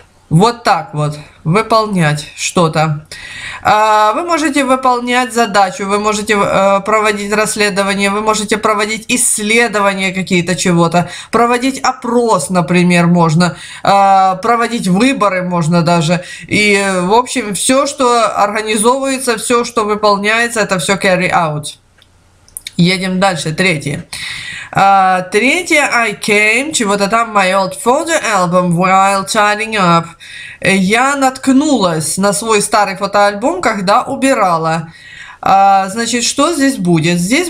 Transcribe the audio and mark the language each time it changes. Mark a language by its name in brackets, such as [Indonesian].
[Russian] Вот так вот, выполнять что-то. Вы можете выполнять задачу, вы можете проводить расследование, вы можете проводить исследования какие-то чего-то, проводить опрос, например, можно, проводить выборы можно даже. И, в общем, все, что организовывается, все, что выполняется, это все [English] carry out. [Russian] Едем дальше, третье. Третье, [English] I came, [Russian] чего-то там, [English] my old photo album while tidying up. [Russian] Я наткнулась на свой старый фотоальбом, когда убирала. Значит, что здесь будет?